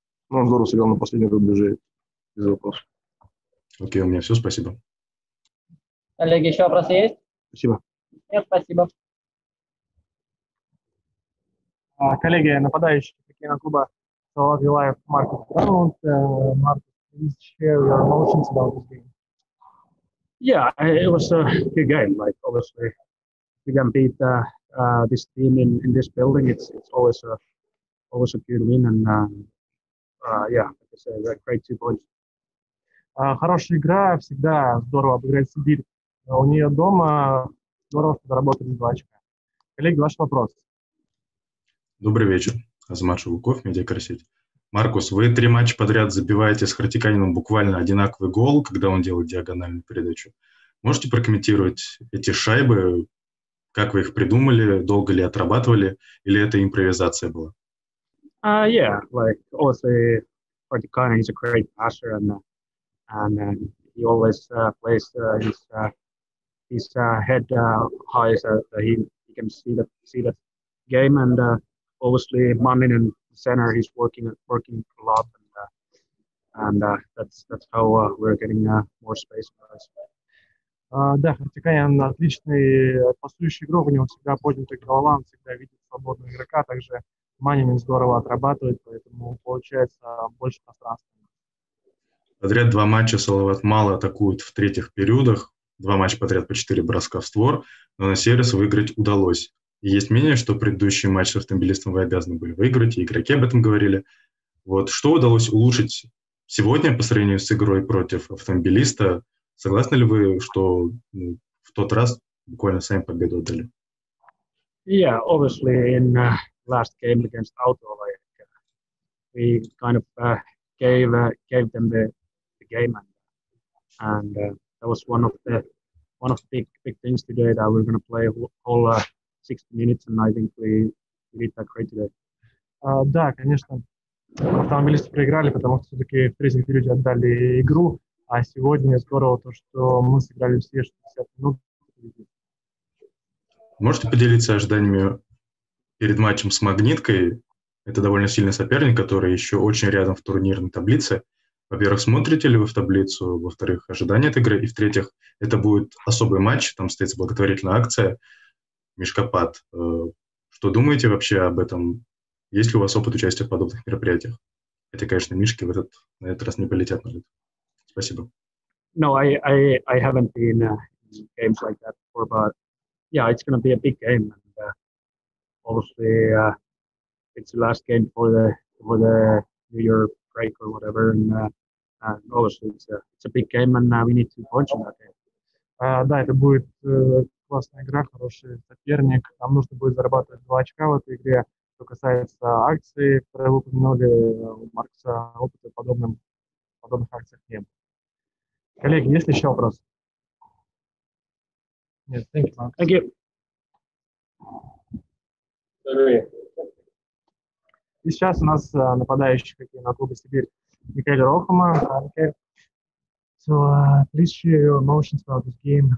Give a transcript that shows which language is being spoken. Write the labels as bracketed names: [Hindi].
[Russian] Ну, он здорово сыграл на последнем рубеже, без вопросов. Окей, у меня все, спасибо. Олег, еще вопросы есть? Спасибо. Нет, спасибо. Коллеги, нападающие хоккейного клуба Салават Юлаев, Маркус Краунд. [English] Маркус, please share your emotions about this game. Yeah, it was a good game. Like, obviously, we can beat this team in this building. It's always a good win. And like I said, great 2 points. [Russian] Хорошая игра, всегда здорово обыграть Сибирь. У нее дома здорово подработали 2 очка. Коллеги, ваш вопрос. Добрый вечер. Азамат Шелуков, медиакарсеть. Маркус, вы 3 матча подряд забиваете с Хартиканином буквально одинаковый гол, когда он делает диагональную передачу. Можете прокомментировать эти шайбы? Как вы их придумали? Долго ли отрабатывали? Или это импровизация была? [English] Хартиканин is a great passer and he always plays his head high so he can see that game and obviously Manin in the center he's working a lot and that's how we're getting more space for us. [Russian] Да, Хартиканян отличный пасующий игрок, у него всегда поднятый голова, он всегда видит свободного игрока, также Манин здорово отрабатывает, поэтому получается больше пространства. Подряд 2 матча Салават мало атакует в третьих периодах. 2 матча подряд по 4 броска в створ. Но на сервис выиграть удалось. И есть мнение, что предыдущий матч с автомобилистом вы обязаны были выиграть, и игроки об этом говорили. Вот что удалось улучшить сегодня по сравнению с игрой против автомобилиста? Согласны ли вы, что в тот раз буквально сами победу отдали? [English] Yeah, obviously in the last game against Auto, like, we kind of gave them the game and that was one of the big things today that we're going to play all 60 minutes and I think we did that great today. [Russian] Да, конечно, автомобилисты проиграли, потому что все-таки в третьих периоде отдали игру, а сегодня здорово то, что мы сыграли все 60 минут. Можете поделиться ожиданиями перед матчем с Магниткой? Это довольно сильный соперник, который еще очень рядом в турнирной таблице. Во-первых, смотрите ли вы в таблицу, во-вторых, ожидания от игры, и в-третьих, это будет особый матч, там стоит благотворительная акция «Мешкопад». Что думаете вообще об этом? Есть ли у вас опыт участия в подобных мероприятиях? Это, конечно, мишки в этот, на этот раз не полетят на лед. Спасибо. [English] No, I haven't been in games like that before, but yeah, it's going to be a big game. And obviously, it's the last game for the New Year break or whatever, and obviously it's a big game, and we need 2 points in that game. [Russian] Да, это будет классная игра, хороший соперник. Нам нужно будет зарабатывать 2 очка в этой игре. Что касается акций, которые вы упомянули, у Маркса опыта подобных акциях нет. Коллеги, есть ли еще вопрос? Нет, [English] thank you, Max. Thank you. [Russian] И сейчас у нас нападающие какие на клубе Сибирь. Микаэль Рохома. [English] Okay. So, please share your emotions about this game.